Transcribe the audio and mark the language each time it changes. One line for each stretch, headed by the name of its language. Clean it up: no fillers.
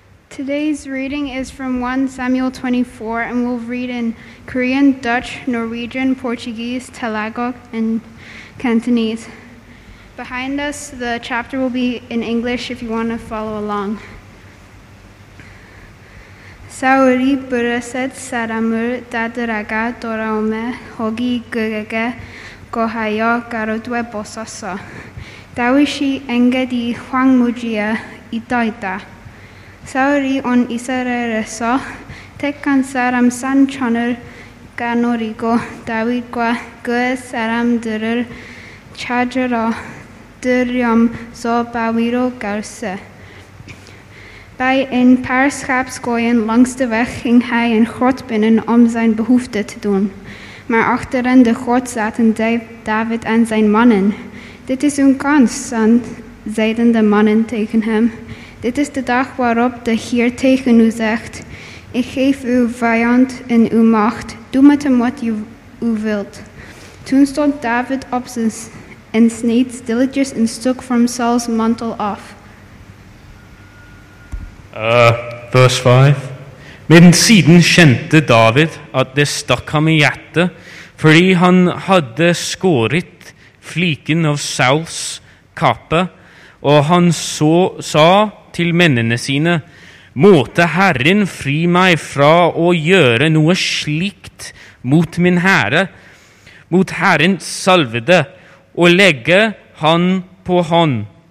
English: Today's reading is from 1 Samuel 24, and we'll read in Korean, Dutch, Norwegian, Portuguese, Tagalog, and Cantonese. Behind us, the chapter will be in English if you want to follow along.
Korean: 사울이 브르셋 사람을 따르다가 돌아오매 거기 그에게 고하여 가로되 보소서. 다윗이 엔게디 황무지에 있다이다. 사울이 온 이스라엘에서 택한 사람 3천을 가누리고 다윗과 그의 사람들을 찾으러 들염소 바위로 갈세.
Dutch: Bij een paar schaapskooien langs de weg ging hij een grot binnen om zijn behoefte te doen. Maar achterin de grot zaten David en zijn mannen. Dit is uw kans, son, zeiden de mannen tegen hem. Dit is de dag waarop de Heer tegen u zegt, ik geef uw vijand in uw macht, doe met hem wat u wilt. Toen stond David op en sneed stilletjes een stuk van Saul's mantel af.
English: Verse 5.
Norwegian: Men siden kjente David at det stakk ham i hjertet, fordi han hadde skåret fliken av Sauls kappe, og han sa til mennene sine, måtte Herren fri meg fra å gjøre noe slikt mot min herre, mot Herrens salvede, og legge han på hånd.